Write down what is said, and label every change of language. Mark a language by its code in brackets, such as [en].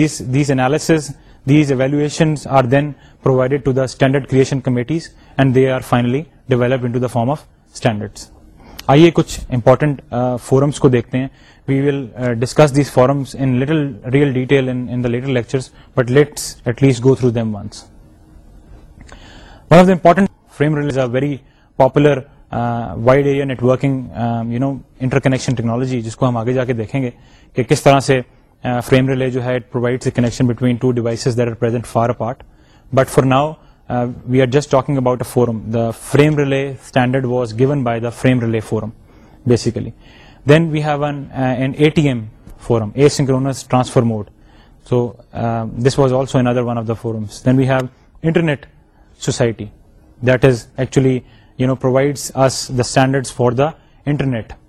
[en] These analysis, these evaluations are then provided to the standard creation committees, and they are finally developed into the form of standards. [ur] آئیے کچھ important forums کو دیکھتے ہیں. [en] We will discuss these forms in little real detail in the later lectures, but let's at least go through them once. One of the important frame relay is a very popular wide area networking interconnection technology, [ur] جس کو ہم آگے جا کے دیکھیں گے کہ کس طرح سے فریم ریلے جو ہے [en] It provides a connection between two devices that are present far apart. But for now we are just talking about a forum. The frame relay standard was given by the frame relay forum, basically. Then we have an ATM forum, asynchronous transfer mode. So this was also another one of the forums. Then we have internet society, that is actually provides us the standards for the internet.